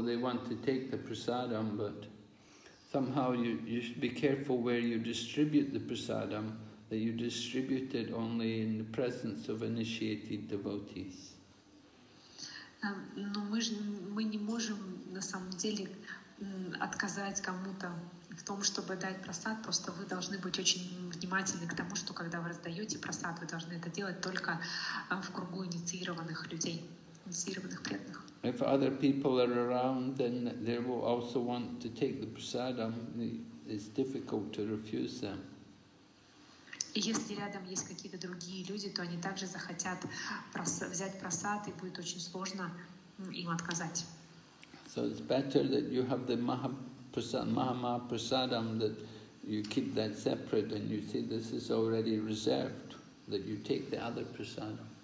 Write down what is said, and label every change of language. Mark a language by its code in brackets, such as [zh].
[en] They want to take the prasadam, but somehow you should be careful where you distribute the prasadam, that you distribute it only in the presence of initiated devotees. [ru] Но мы не можем на самом деле отказать кому-то в том, чтобы дать просад, просто вы должны быть очень внимательны к тому, что когда вы раздаете просад, вы должны это делать только в кругу инициированных людей, инициированных преданных. [en] If other people are around, then they will also want to take the prasadam. It's difficult to refuse them. [ru] И если рядом есть какие-то другие люди, то они также захотят взять просад, и будет очень сложно им отказать. [en] So it's better that you have the Mahamahaprasadam, that you keep that separate, and you say this is already reserved, that you take the other prasadam.